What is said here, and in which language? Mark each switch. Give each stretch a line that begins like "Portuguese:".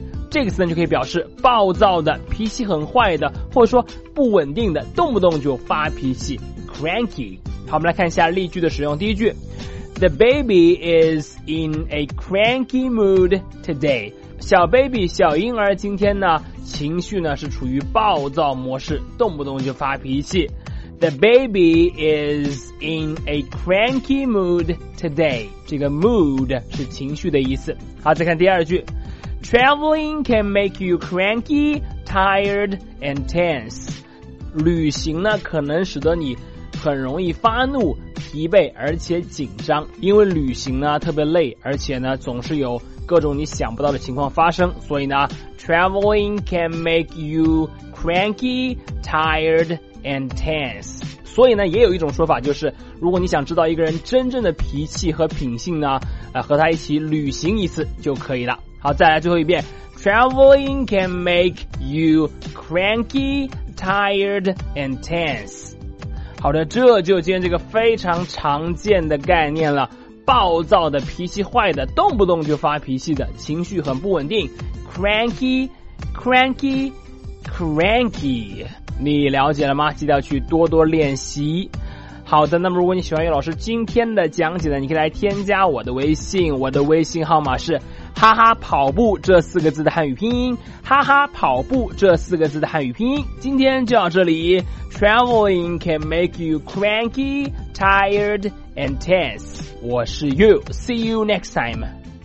Chinese: 这个词呢就可以表示暴躁的，脾气很坏的，或者说不稳定的，动不动就发脾气 ,cranky。好，我们来看一下例句的使用。第一句
English: ,The baby is in a cranky mood today.
Chinese: 小 baby, 小婴儿今天呢情绪呢是处于暴躁模式，动不动就发脾气。
English: The baby is in a cranky mood today.
Chinese: 这个 mood 是情绪的意思。好，再看第二句。
English: Traveling can make you cranky, tired, and tense.
Chinese: 旅行呢可能使得你很容易发怒、疲惫而且紧张，因为旅行呢特别累，而且呢总是有各种你想不到的情况发生，所以呢
English: traveling can make you cranky, tired, and tense.
Chinese: 所以呢也有一种说法，就是如果你想知道一个人真正的脾气和品性呢，和他一起旅行一次就可以了。好，再来最后一遍。
English: Traveling can make you cranky, tired, and tense.
Chinese: 好的，这就今天这个非常常见的概念了。暴躁的，脾气坏的，动不动就发脾气的，情绪很不稳定。
English: Cranky, cranky, cranky.
Chinese: 你了解了吗？记得要去多多练习。好的，那么如果你喜欢于老师今天的讲解呢，你可以来添加我的微信，我的微信号码是哈哈跑步这四个字的汉语拼音，哈哈跑步这四个字的汉语拼音。今天就到这里。
English: Traveling can make you cranky, tired, and tense.
Chinese: 我是
English: You, see you next time.